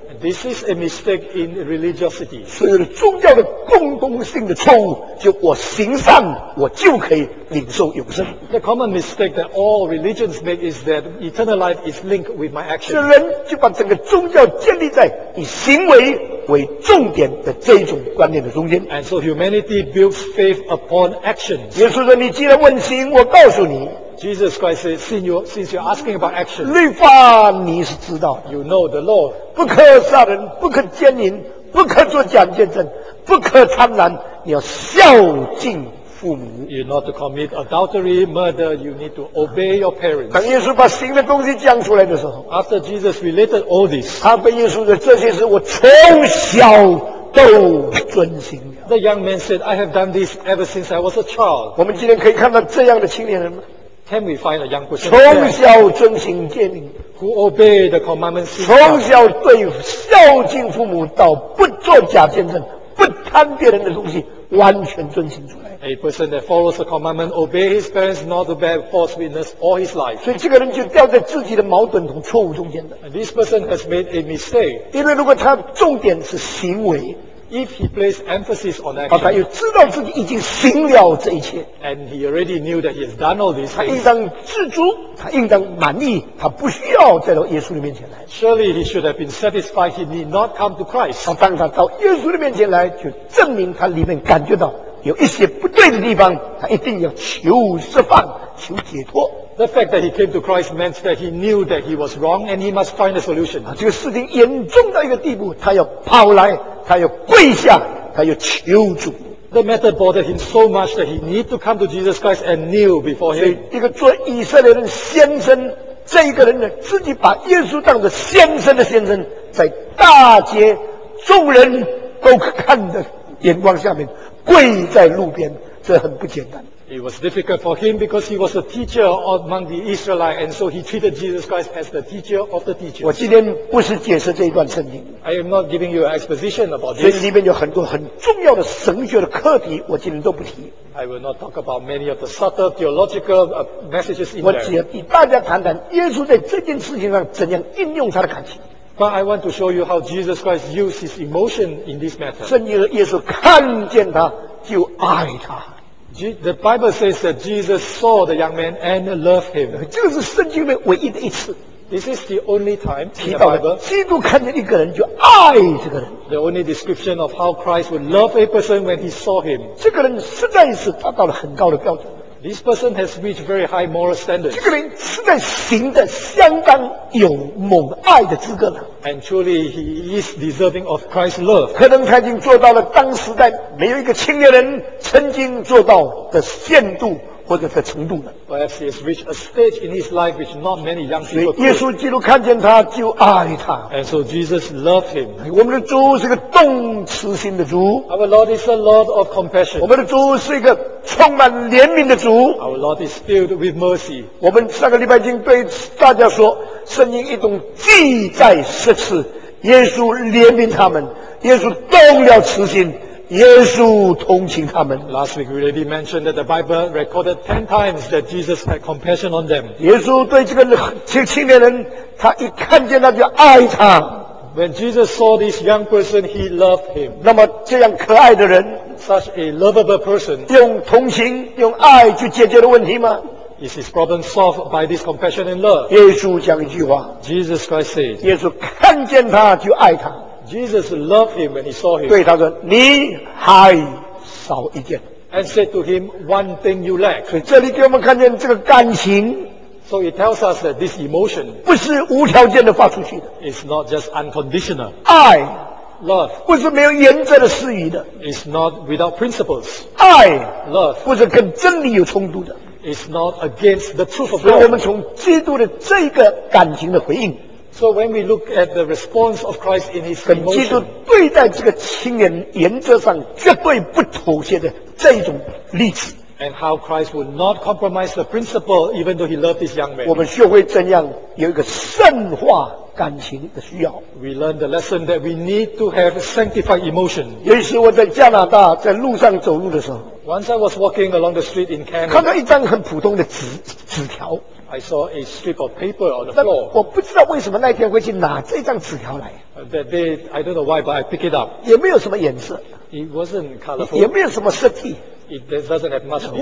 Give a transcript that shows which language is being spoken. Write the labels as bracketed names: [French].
[English] This is a mistake in religiosity. [Chinese] 所有的宗教的共同性的错误，就我行善，我就可以领受永生。 [English] The common mistake that all religions make is that eternal life is linked with my action. [Chinese] 人就把整个宗教建立在以行为为重点的这种观念的中间。 [English] And so humanity builds faith upon actions. [Chinese] 耶稣说：“你既然问行，我告诉你。” [English] Jesus Christ says, since you're asking about action. [Chinese] 律法你是知道。 [English] You know the law. [Chinese] 不可杀人，不可奸淫，不可做假见证，不可贪婪，你要孝敬父母。 [English] You're not to commit adultery, murder, you need to obey your parents. [Chinese] 当耶稣把行的东西讲出来的时候。 [English] After Jesus related all this. [Chinese] 他被耶稣说这些事我从小都遵行。 [English] The young man said, I have done this ever since I was a child. [Chinese] 我们今天可以看到这样的青年人吗？ [English] Can we find a young person? [Chinese] 从小遵行诫命 [English] ，who obey the commandments. [Chinese] 从小对孝敬父母到不做假见证，不贪别人的东西，完全遵行出来。 [English] A person that follows the commandment, obey his parents, not to bear false witness all his life. [Chinese] 所以这个人就掉在自己的矛盾和错误中间了。 [English] This person has made a mistake. [Chinese] 因为如果他重点是行为。 [English] If he placed emphasis on action, [Chinese] 他又知道自己已经行了这一切 [English] ，and he already knew that he has done all these things, [Chinese] 他应当知足，他应当满意，他不需要再到耶稣的面前来。 [English] Surely he should have been satisfied. He need not come to Christ. [Chinese] 当他到耶稣的面前来，就证明他里面感觉到有一些不对的地方，他一定要求释放，求解脱。 [English] The fact that he came to Christ meant that he knew that he was wrong and he must find a solution. [Chinese] 这个事情严重到一个地步，他要跑来，他要跪下，他要求主。 [English] The matter bothered him so much that he need to come to Jesus Christ and kneel before him. [Chinese] 所以，一个做以色列人先生这一个人呢，自己把耶稣当作先生的先生，在大街众人都看的眼光下面跪在路边，这很不简单。 [English] It was difficult for him because he was a teacher among the Israelites, and so he treated Jesus Christ as the teacher of the teachers. [Chinese] 我今天不是解释这一段圣经。 [English] I am not giving you an exposition about this. [Chinese] 所以里面有很多很重要的神学的课题，我今天都不提。 [English] I will not talk about many of the subtle theological messages in there. [Chinese] 我只要与大家谈谈耶稣在这件事情上怎样应用他的感情。 [English] But I want to show you how Jesus Christ used his emotion in this matter. [Chinese] 圣经的耶稣看见他就爱他。 [English] The Bible says that Jesus saw the young man and loved him. [Chinese] 这是圣经里面唯一的一次。 [English] This is the only time in the Bible. [Chinese] 基督看见一个人就爱这个人。 [English] The only description of how Christ would love a person when he saw him. [Chinese] 这个人实在是达到了很高的标准。 [English] This person has reached very high moral standards. [Chinese] 这个人实在行得相当有蒙爱的资格了。 [English] And truly, he is deserving of Christ's love. [Chinese] 可能他已经做到了当时代没有一个青年人曾经做到的限度或者的程度了。 [English] Perhaps he has reached a stage in his life which not many young people. [Chinese] 所以耶稣基督看见他就爱他。 [English] And so Jesus loved him. [Chinese] 我们的主是个动慈心的主。 [English] Our Lord is a Lord of compassion. [Chinese] 我们的主是一个充满怜悯的主。 [English] Our Lord is filled with mercy. [Chinese] 我们上个礼拜已经对大家说，圣经一共记载十次，耶稣怜悯他们，耶稣动了慈心。耶稣同情他们。 [English] Last week we already mentioned that the Bible recorded 10 times that Jesus had compassion on them. [Chinese] 耶稣对这个青年人，他一看见他就爱他。 [English] When Jesus saw this young person, he loved him. [Chinese] 那么这样可爱的人 [English] ，such a lovable person， [Chinese] 用同情、用爱去解决的问题吗 [English] ？Is his problem solved by this compassion and love？ [Chinese] 耶稣讲一句话 [English] ，Jesus Christ said， [Chinese] 耶稣看见他就爱他。 [English] Jesus loved him when he saw him. [Chinese] 对他说，你还少一件。 [English] And said to him, one thing you lack. [Chinese] 所以这里给我们看见这个感情。 [English] So it tells us that this emotion [Chinese] 不是无条件的发出去的。 [English] It's not just unconditional. [Chinese] 爱 [English] love [Chinese] 不是没有原则的施予的。 [English] It's not without principles. [Chinese] 爱 [English] love [Chinese] 不是跟真理有冲突的。 [English] It's not against the truth of God. [Chinese] 所以我们从基督的这个感情的回应。 [English] So when we look at the response of Christ in his emotion, [Chinese] 跟基督对待这个青年原则上绝对不妥协的这一种例子 [English] ，and how Christ would not compromise the principle even though he loved this young man, [Chinese] 我们学会怎样有一个圣化感情的需要。 [English] We learn the lesson that we need to have sanctified emotion. [Chinese] 也许我在加拿大在路上走路的时候 [English] ，once I was walking along the street in Canada, [Chinese] 看到一张很普通的纸条。 [English] I saw a strip of paper on the floor. [Chinese] 我不知道为什么那天会去拿这张纸条来。 [English] That day, I don't know why, but I pick it up. [Chinese] 也没有什么颜色。 [English] It wasn't colorful. [Chinese] 也没有什么设计。 [English] It doesn't have much design.